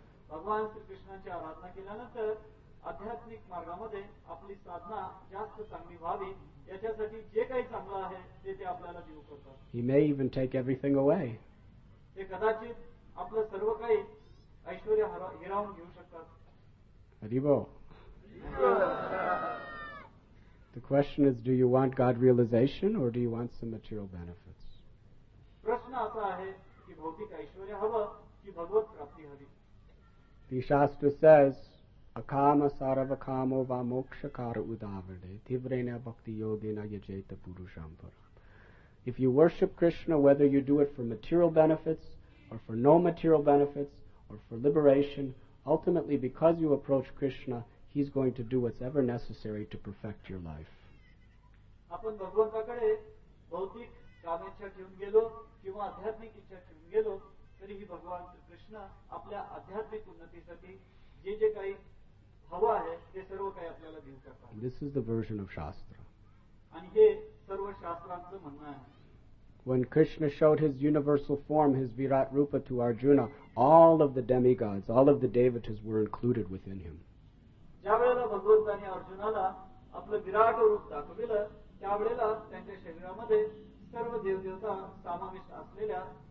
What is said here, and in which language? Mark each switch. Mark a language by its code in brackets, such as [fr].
[mr] भगवान श्री कृष्णांची आराधना केल्यानंतर आध्यात्मिक मार्गामध्ये आपली साधना जास्त चांगली व्हावी याच्यासाठी जे काही चांगलं आहे ते आपल्याला देऊ करतात. [en] He may even take everything away. [mr] ते कदाचित आपलं सर्व काही ऐश्वर हिरावून घेऊ शकतात. हरिबो. [en] The question is, do you want God realization or do you want some material benefits? [mr] प्रश्न असा आहे की भौतिक ऐश्वर हवं की भगवत प्राप्ती हवी. [en] The Shastra says, [sa] Akama Saravakamo va Mokshakara Udavade Tivrena Bhakti Yogena Yajeta Purushampara. [en] If you worship Krishna, whether you do it for material benefits or for no material benefits or for liberation, ultimately because you approach Krishna, he's going to do what's ever necessary to perfect your life. [mr] Apan Bhagavanta kade bhautik kamecha ghen gelo kiwa adhyatmik ichcha ghen gelo तरीही भगवान कृष्ण आपल्या आध्यात्मिक उन्नतीसाठी जे जे काही हवं आहे ते सर्व काही आपल्याला देऊ करतात. [en] This is the version of shastra. [mr] आणि हे सर्व शास्त्रांचं म्हणणं आहे. [en] When Krishna showed his universal form, his Virat Rupa to Arjuna, all of the demigods, all of the devatas were included within him. [mr] ज्या वेळेला भगवंताने अर्जुनाला आपलं विराट रूप दाखवलं त्यावेळेला त्यांच्या शरीरामध्ये सर्व देवदेवता समाविष्ट असलेल्या.